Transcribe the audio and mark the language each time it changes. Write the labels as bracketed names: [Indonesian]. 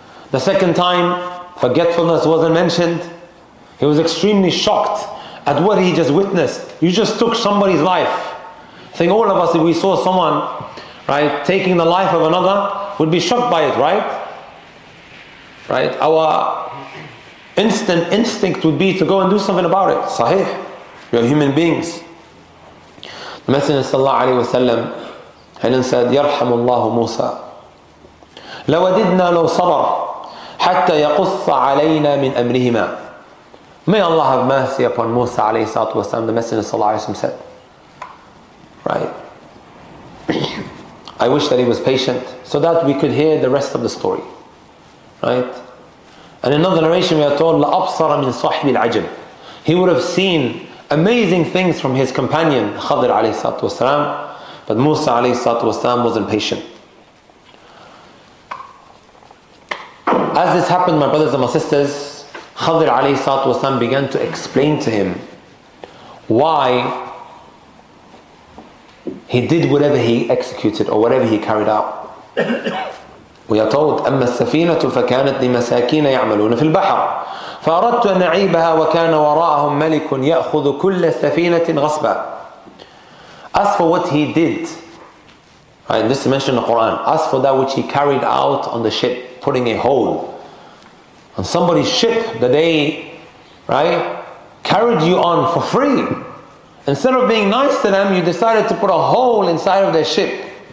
[English] The second time, forgetfulness wasn't mentioned. He was extremely shocked at what he just witnessed. You just took somebody's life. I think all of us, if we saw someone, right, taking the life of another, would be shocked by it, right? Right? Our instant instinct would be to go and do something about it. Sahih. We are human beings. The Messenger sallallahu alayhi wa sallam said, [Arabic] يَرْحَمُ اللَّهُ مُوسَى لَوَدِدْنَا لَوْ صَبَرْ حَتَّى يَقُصَّ عَلَيْنَا مِنْ أَمْرِهِمَا. [English] May Allah have mercy upon Musa alayhi salatu wa sallam, the Messenger sallallahu alayhi wa sallam said. Right. I wish that he was patient so that we could hear the rest of the story. Right. And in another narration we are told, [Arabic] لَأَبْصَرَ مِنْ صَحْبِ الْعَجَبِ. [English] He would have seen amazing things from his companion Khadr alayhi salatu wa sallam. But Musa alayhi salatu wa sallam was impatient. As this happened, my brothers and my sisters, Khadr alayhi salatu wa sallam began to explain to him why he did whatever he executed or whatever he carried out. We are told, [Arabic] أَمَّا السَّفِينَةُ فَكَانَتْ لِمَسَاكِينَ يَعْمَلُونَ فِي الْبَحَرِ فَأَرَدْتُ أَنْ أَعِيبَهَا وَكَانَ وَرَاءَهُمْ مَلِكٌ يَأْخُذُ كُلَّ سَفِينَةٍ غَصْبًا. [English] As for what he did, right, this is mentioned in the Quran, as for that which he carried out on the ship, putting a hole on somebody's ship that they, right, carried you on for free. Instead of being nice to them, you decided to put a hole inside of their ship.